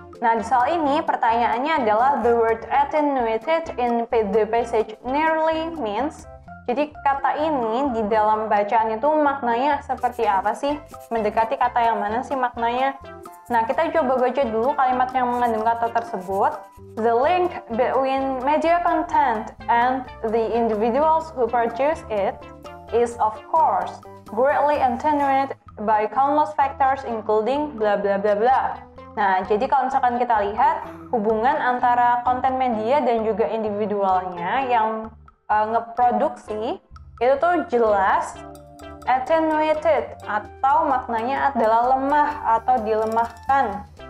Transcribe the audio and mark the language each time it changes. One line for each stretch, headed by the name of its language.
Indonesian: Nah di soal ini pertanyaannya adalah the word attenuated in the passage nearly means. Jadi kata ini di dalam bacaan itu maknanya seperti apa sih? Mendekati kata yang mana sih maknanya? Nah kita coba baca dulu kalimat yang mengandung kata tersebut.
English: The link between media content and the individuals who produce it is of course greatly attenuated by countless factors including bla bla bla bla.
Indonesian: Nah, jadi kalau misalkan kita lihat hubungan antara konten media dan juga individualnya yang ngeproduksi itu tuh jelas attenuated atau maknanya adalah lemah atau dilemahkan.